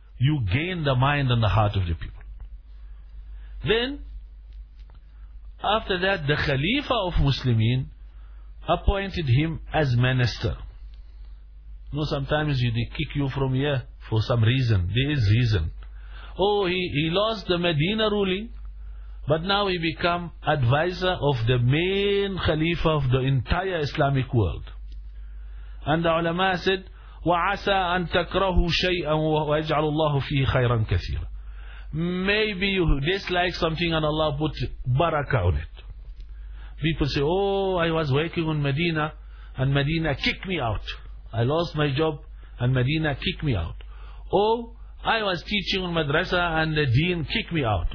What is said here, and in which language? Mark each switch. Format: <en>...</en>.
<en>You gain the mind and the heart of the people. Then, after that, the Khalifa of Muslimin appointed him as minister. You know, sometimes they kick you from here for some reason. There is reason. Oh, he lost the Medina ruling, but now he become advisor of the main Khalifa of the entire Islamic world. And the ulama said,</en> <ar>وَعَسَىٰ أَن تَكْرَهُ شَيْئًا وَيَجْعَلُ اللَّهُ فِيهِ خَيْرًا كَثِيرًا.</ar> <en>Maybe you dislike something and Allah put barakah on it. People say, oh, I was working in Medina and Medina kicked me out. I lost my job and Medina kicked me out. Oh, I was teaching in madrasa and the deen kicked me out.</en>